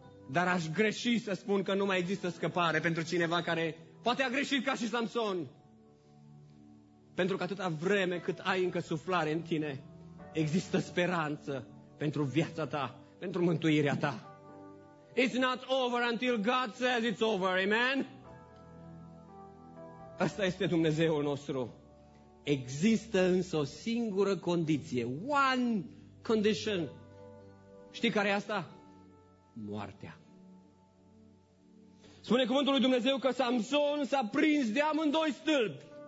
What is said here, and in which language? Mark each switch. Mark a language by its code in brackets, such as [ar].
[ro] Dar aș greși să spun că nu mai există scăpare pentru cineva care poate a greșit ca și Samson. Pentru că atâta vreme cât ai încă suflare în tine, există speranță pentru viața ta. Pentru mântuirea ta. [en] It's not over until God says it's over, amen? [ro] Asta este Dumnezeul nostru. Există însă o singură condiție. [en] One condition. [ro] Știi care e asta? Moartea. Spune cuvântul lui Dumnezeu că Samson s-a prins de amândoi stâlpi.